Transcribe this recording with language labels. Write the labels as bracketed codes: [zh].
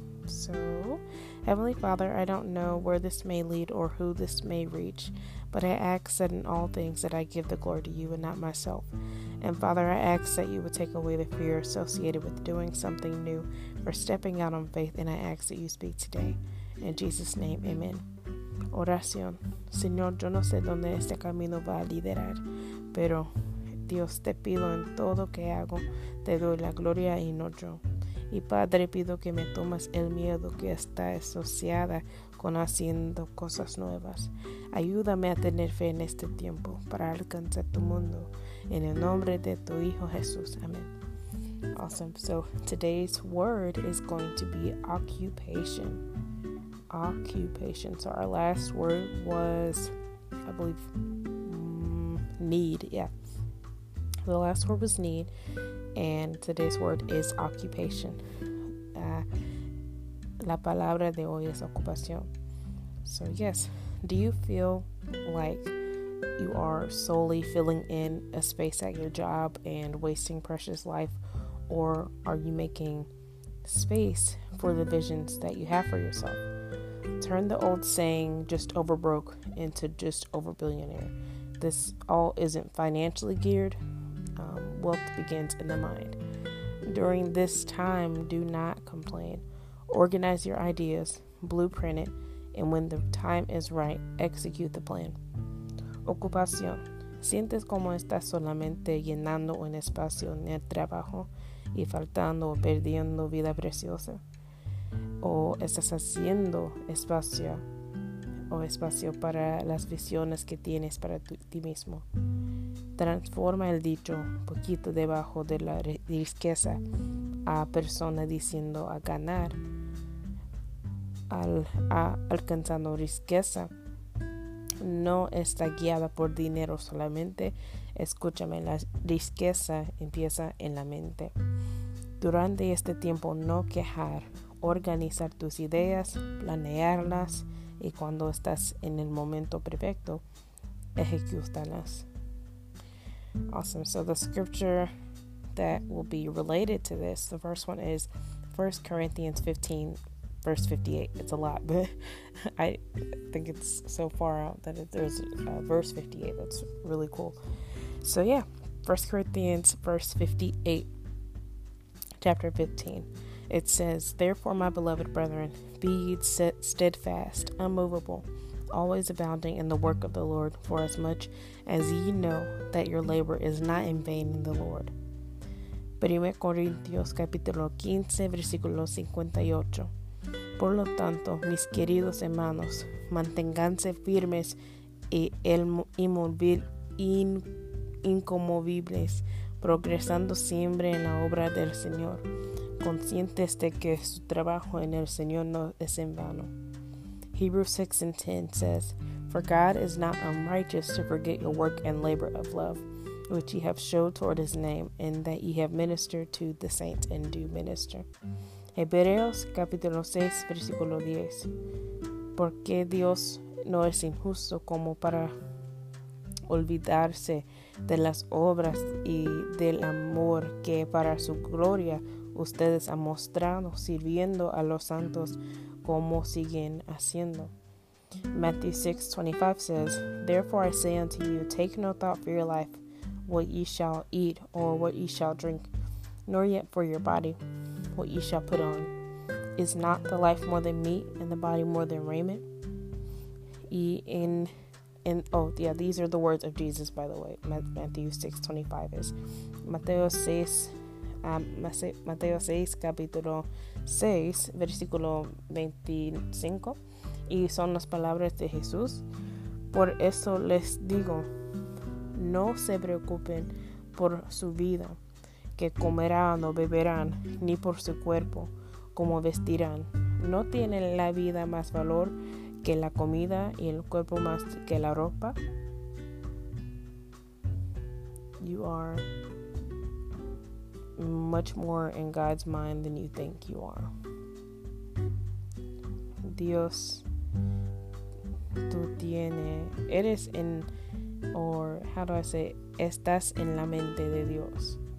[en] So, Heavenly Father, I don't know where this may lead or who this may reach, but I ask that in all things that I give the glory to you and not myself. And Father, I ask that you would take away the fear associated with doing something new or stepping out on faith, and I ask that you speak today. In Jesus' name, amen. Oración. [es] Señor, yo no sé dónde este camino va a liderar, pero Dios, te pido en todo que hago, te doy la gloria y no yo. Y Padre, pido que me tomas el miedo que está asociada con haciendo cosas nuevas. Ayúdame a tener fe en este tiempo para alcanzar tu mundo. En el nombre de tu Hijo Jesús. Amén. [en] Awesome. So today's word is going to be occupation. Occupation. So our last word was, I believe, need. Yeah. The last word was need, and today's word is occupation. [es] La palabra de hoy es ocupación. [en] So yes, do you feel like you are solely filling in a space at your job and wasting precious life, or are you making space for the visions that you have for yourself? Turn the old saying, just over broke, into just over billionaire. This all isn't financially geared. Wealth begins in the mind. During this time, do not complain. Organize your ideas, blueprint it, and when the time is right, execute the plan. [es] Ocupación. ¿Sientes como estás solamente llenando un espacio en el trabajo y faltando o perdiendo vida preciosa? ¿O estás haciendo espacio o espacio para las visiones que tienes para ti mismo? Transforma el dicho poquito debajo de la riqueza a persona diciendo a ganar a alcanzando riqueza. No está guiada por dinero solamente. Escúchame, la riqueza empieza en la mente. Durante este tiempo, no quejar. Organizar tus ideas, planearlas y cuando estás en el momento perfecto, ejecútalas. [en] Awesome. So the scripture that will be related to this, the first one is 1 Corinthians 15, verse 58. It's a lot, but I think it's so far out that there's verse 58. That's really cool. So yeah, 1 Corinthians verse 58, chapter 15. It says, therefore, my beloved brethren, be ye steadfast, unmovable, always abounding in the work of the Lord, for as much as ye know that your labor is not in vain in the Lord. [es] 1 Corintios capítulo 15, versículo 58. Por lo tanto, mis queridos hermanos, manténganse firmes e incomovibles, progresando siempre en la obra del Señor, conscientes de que su trabajo en el Señor no es en vano. [en] Hebrews 6 and 10 says, for God is not unrighteous to forget your work and labor of love, which ye have showed toward his name, and that ye have ministered to the saints and do minister. [es] Hebreos capítulo 6, versículo 10. Porque Dios no es injusto como para olvidarse de las obras y del amor que para su gloria ustedes han mostrado sirviendo a los santos como siguen haciendo. [en] Matthew 6:25 says, therefore I say unto you, take no thought for your life, what ye shall eat or what ye shall drink, nor yet for your body, what ye shall put on. Is not the life more than meat, and the body more than raiment? These are the words of Jesus, by the way. Matthew 6:25 is. [es] Mateo 6, capítulo 6, versículo 25, y son las palabras de Jesús. Por eso les digo, no se preocupen por su vida, que comerán o beberán, ni por su cuerpo, como vestirán. ¿No tiene la vida más valor que la comida y el cuerpo más que la ropa? [en] You are much more in God's mind than you think you are. [es] Dios, tú tienes, eres en, [en] or how do I say, [es] estás en la mente de Dios.